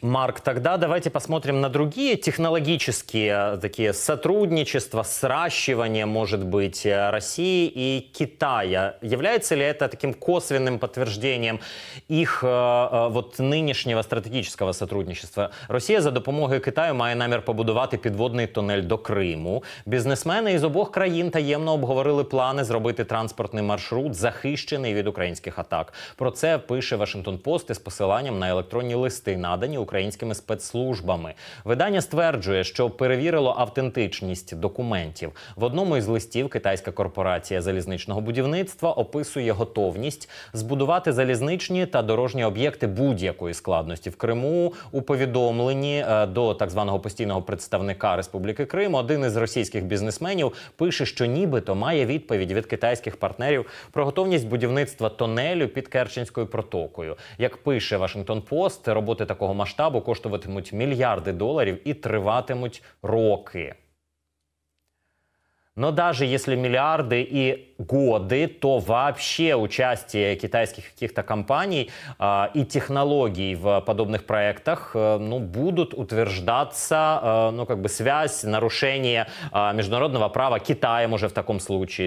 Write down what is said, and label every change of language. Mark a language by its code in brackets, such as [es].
[ru] Марк, тогда давайте посмотрим на другие технологические такие сотрудничества, сращивание, может быть, России и Китая. Является ли это таким косвенным подтверждением их вот нынешнего стратегического сотрудничества? [uk] Росія за допомогою Китаю має намір побудувати підводний тунель до Криму. Бізнесмени із обох країн таємно обговорили плани зробити транспортний маршрут, захищений від українських атак. Про це пише Washington Post із посиланням на електронні листи, надані українськими спецслужбами. Видання стверджує, що перевірило автентичність документів. В одному із листів китайська корпорація залізничного будівництва описує готовність збудувати залізничні та дорожні об'єкти будь-якої складності в Криму. У повідомленні до так званого постійного представника Республіки Крим один із російських бізнесменів пише, що нібито має відповідь від китайських партнерів про готовність будівництва тонелю під Керченською протокою. Як пише Washington Post, роботи такого масштабу коштуватимуть мільярди доларів і триватимуть роки. [ru] Но даже если [uk] мільярди і [ru] годы, то вообще участие китайских каких-то компаний и технологий в подобных проектах будут утверждаться, связь, нарушение международного права Китаем уже в таком случае.